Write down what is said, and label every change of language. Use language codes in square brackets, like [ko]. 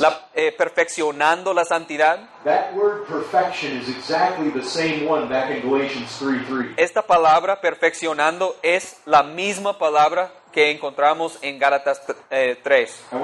[es] La, perfeccionando la santidad. [en] That word perfection is exactly the same one back in Galatians 3:3. [es] Esta palabra perfeccionando es la misma palabra que encontramos en Gálatas 3.